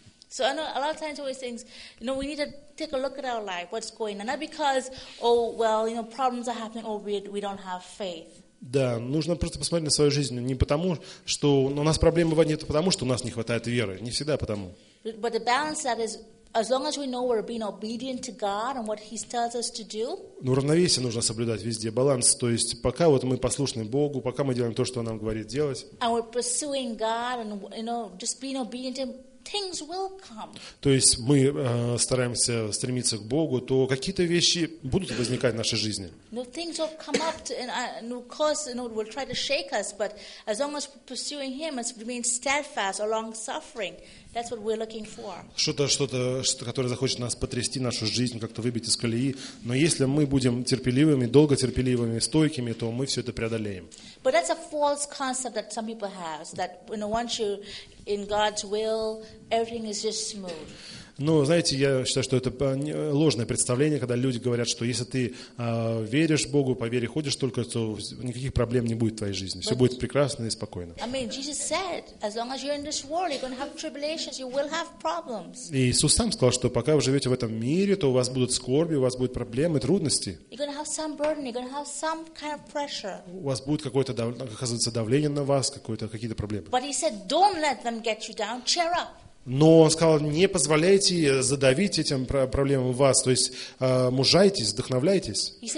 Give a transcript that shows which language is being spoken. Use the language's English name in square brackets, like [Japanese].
[English] So I know a lot of times always things, you know, we need to take a look at our life, what's going on. Not because, oh, well, you know, problems are happening, or we don't have faith. [Russian] Да, нужно просто посмотреть на свою жизнь. Не потому, что у нас проблемы бывают, не потому, что у нас не хватает веры. Не всегда потому. [English] But the balance that is, as long as we know we're being obedient to God and what He tells us to do. [Russian] Ну, равновесие нужно соблюдать везде, баланс. То есть, пока вот мы послушны Богу, пока мы делаем то, что Он нам говорит делать. [English] And we're pursuing God and, you know, just being obedient to Him, things will come. [Russian] То есть, мы стараемся стремиться к Богу, то какие-то вещи будут возникать в нашей жизни. [English] No, things will come up, to, and of course, you know, will try to shake us, but as long as we're pursuing Him, as we remain steadfast or long-suffering, that's what we're looking for. [Russian] Что-то, которое захочет нас потрясти нашу жизнь, как-то выбить из колеи. Но если мы будем терпеливыми, долго терпеливыми, стойкими, то мы все это преодолеем. [English] But that's a false concept that some people have, that you know, once you're in God's will, everything is just smooth. [Russian] Ну, знаете, я считаю, что это ложное представление, когда люди говорят, что если ты веришь Богу, по вере ходишь только, то никаких проблем не будет в твоей жизни. Все будет прекрасно и спокойно. [English] I mean, Jesus said, as long as you're in this world, you're going to have tribulations, you will have problems. [Russian] Иисус сам сказал, что пока вы живете в этом мире, то у вас будут скорби, у вас будут проблемы, трудности. [English] You're going to have some burden, you're going to have some kind of pressure. [Russian] У вас будет какое-то, оказывается, давление на вас, какие-то проблемы. [English] But He said, don't let them get you down, cheer up. [Russian] Но он сказал, не позволяйте задавить этим проблемам вас, то есть мужайтесь, вдохновляйтесь.